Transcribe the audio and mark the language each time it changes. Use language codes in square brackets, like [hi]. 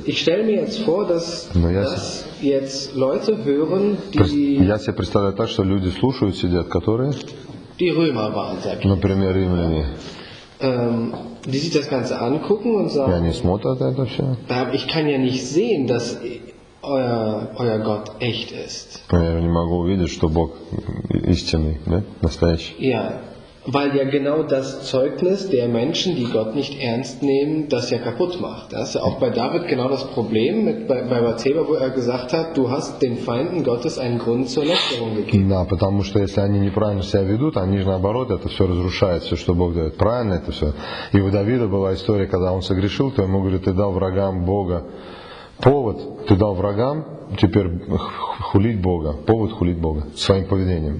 [de] Ich stelle mir jetzt vor, dass jetzt Leute hören, die... [ru] Я себе представляю так, что люди слушают, сидят, которые... [de] Die Römer waren, sag ich. [ru] Например, римляне. [de] Die sich das Ganze angucken und sagen... [ru] Ja, они смотрят это все. [de] Ich kann ja nicht sehen, dass euer Gott echt ist. [ru] Я не могу увидеть, что Бог истинный, да? Настоящий. [de] Ja. Weil ja genau das Zeugnis der Menschen, die Gott nicht ernst nehmen, das ja kaputt macht. Das ist ja auch bei David genau das Problem, bei Bathsheba, wo er gesagt hat, du hast den Feinden Gottes einen Grund zur Lästerung gegeben. [ru] Ja, потому что если они неправильно себя ведут, они же наоборот, это все разрушает, все, что Бог дает. Правильно это все. И у Давида была история, когда он согрешил, то ему говорит, ты дал врагам Бога повод, ты дал врагам теперь хулить Бога, повод хулить Бога своим поведением.